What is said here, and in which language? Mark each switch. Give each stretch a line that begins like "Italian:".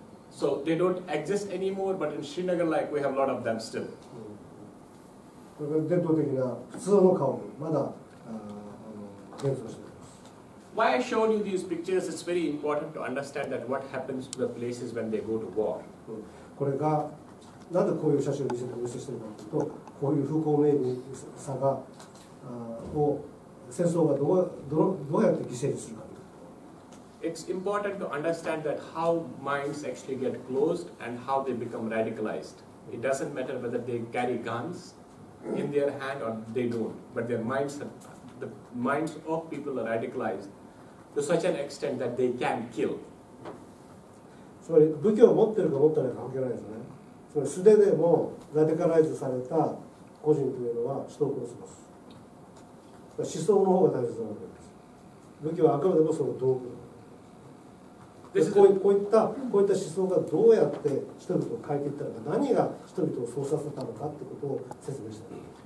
English: So they don't exist anymore, but in Srinagar, like, we have a lot of them still.
Japanese: これが伝統的な普通の家屋、まだ現存してる。
English: Why I showed you these pictures, it's very important to understand that what happens to the places when they go to war.
Japanese: これがなんでこういう写真を見せてお見せしているかというと、こういう風光明媚さが、を戦争がどうやって犠牲にするかというと。
English: It's important to understand that how minds actually get closed and how they become radicalized. It doesn't matter whether they carry guns in their hand or they don't, but their minds are. The minds of people are radicalized to such an extent that they can kill.
Japanese: つまり武器を持ってるか持ってないか関係ないですね。つまり素手でもラディカライズされた個人というのは人を殺せます。思想の方が大切なわけです。武器はあくまでもその道具。こういった思想がどうやって人々を変えていったのか、何が人々をそうさせたのかということを説明したい。